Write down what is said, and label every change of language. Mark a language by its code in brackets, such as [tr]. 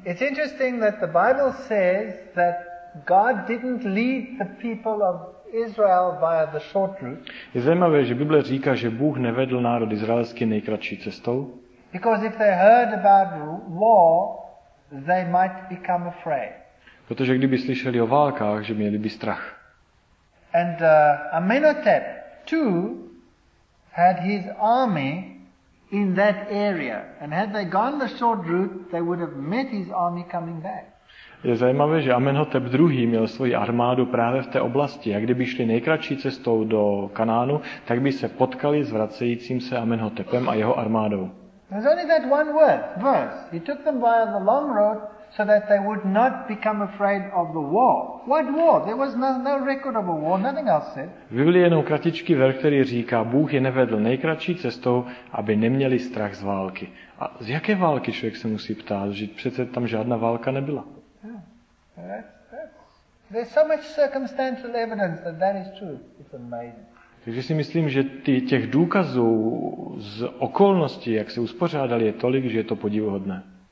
[en] It's interesting that the Bible says that God didn't lead the people of Israel via the short route. [cs] Je zajímavé, že Bible říká, že Bůh nevedl národ izraelský nejkratší cestou. [en] Because if they heard about war, they might become afraid. [cs] Protože kdyby slyšeli o válkách, že měli by strach. [en] And Amenhotep too had his army in that area, and had they gone the short route, they would have met his army coming back. [cs] Je zajímavé, že Amenhotep II. Měl svoji armádu právě v té oblasti. A kdyby šli nejkratší cestou do Kanánu, tak by se potkali s vracejícím se Amenhotepem a jeho armádou. [en] There's only that one word, verse. He took them via the long road so that they would not become afraid of the war. What war? There was no record of a war, nothing else said. [cs] Vyvili jenom kratičký ver, který říká, Bůh je nevedl nejkratší cestou, aby neměli strach z války. A z jaké války, člověk se musí ptát, že přece tam žádná válka nebyla. [en] There's so much circumstantial evidence that that is true. It's amazing. [cs] Takže si myslím, že těch důkazů z okolností, jak se uspořádali, je tolik, že je to podivuhodné.